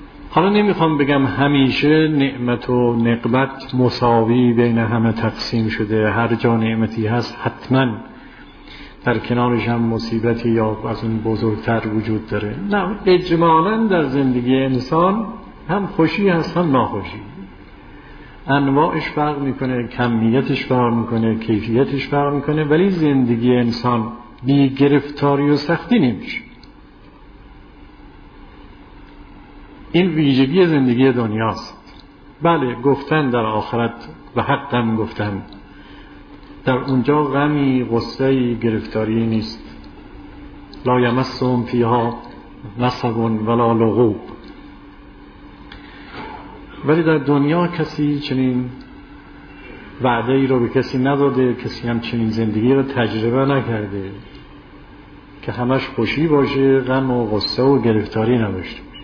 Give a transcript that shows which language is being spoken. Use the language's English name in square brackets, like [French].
[Persian] حالا نمیخوام بگم همیشه نعمت و نقمت مساوی بین همه تقسیم شده، هر جا نعمتی هست حتماً در کنارش هم مصیبتی یا از اون بزرگتر وجود داره، نه، اجمالا در زندگی انسان هم خوشی هست هم ناخوشی، انواعش فرق میکنه، کمیتش فرق میکنه، کیفیتش فرق میکنه، ولی زندگی انسان بی گرفتاری و سختی نمیشه. این ویژگی زندگی دنیاست. بله، گفتن در آخرت و حقم گفتن، در اونجا غمی، غصه ای، گرفتاری نیست. [Arabic] لا یمسهم فیها نصب ولا لغوب. [Persian] ولی در دنیا کسی چنین وعده ای رو به کسی نداده، کسی هم چنین زندگی رو تجربه نکرده که همش خوشی باشه، غم و غصه و گرفتاری نداشته.